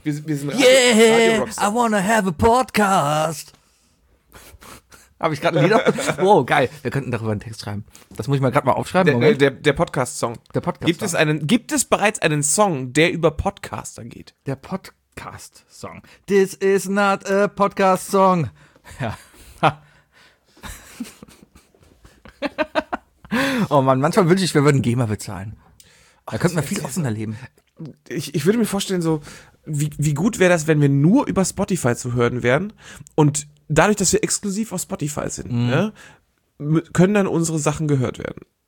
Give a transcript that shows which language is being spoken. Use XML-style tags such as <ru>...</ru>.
<de>Wir sind</de> <en>yeah, Radio Rockstar. I wanna have a podcast.</en> <de>Habe ich gerade ein Lied auf? Wow, geil. Wir könnten darüber einen Text schreiben. Das muss ich mal gerade mal aufschreiben. Der Podcast-Song. Der Podcast-Song. Gibt es bereits einen Song, der über Podcaster geht? Der Podcast-Song.</de> <en>This is not a Podcast-Song.</en> <de>Ja. Oh Mann, manchmal wünsche ich, wir würden GEMA bezahlen. Da könnten wir viel offener leben. Ich würde mir vorstellen, so wie gut wäre das, wenn wir nur über Spotify zu hören wären und dadurch, dass wir exklusiv auf Spotify sind, ne, können dann unsere Sachen gehört werden.</de>